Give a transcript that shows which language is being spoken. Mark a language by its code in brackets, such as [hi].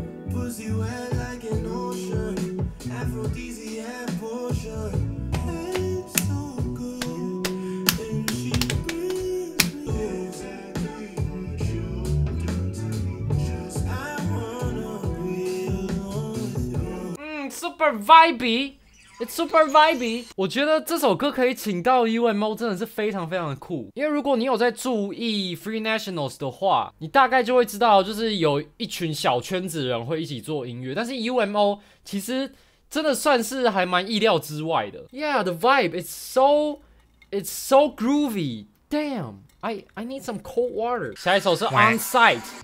[en] Pussy wet like an ocean. Aphrodisiac potion. It's so good. And she breathes me. Super vibey, it's super vibey. [zh] 我觉得这首歌可以请到 UMO 真的是非常非常的酷。因为如果你有在注意 Free Nationals 的话，你大概就会知道，就是有一群小圈子人会一起做音乐。但是 UMO 其实真的算是还蛮意料之外的。 [en] Yeah, the vibe it's so groovy. Damn, I need some cold water. [zh] 下一首是 [en] On Site。